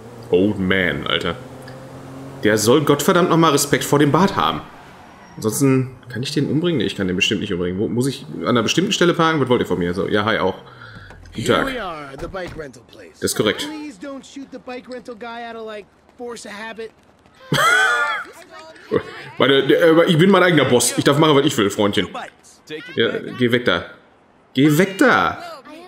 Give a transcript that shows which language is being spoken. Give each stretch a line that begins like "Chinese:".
English: Old man,
German: Alter. Der soll gottverdammt nochmal Respekt vor dem Bart haben. Ansonsten kann ich den umbringen? Ich kann den bestimmt nicht umbringen. Wo muss ich an einer bestimmten Stelle parken? Was wollt ihr von mir? So, ja, hi auch. Guten Tag. Das ist korrekt.
English: Please don't shoot the bike rental guy out of like force of habit.
German: Ich bin mein eigener Boss. Ich darf machen, was ich will, Freundchen. Ja, geh weg da. Geh weg da!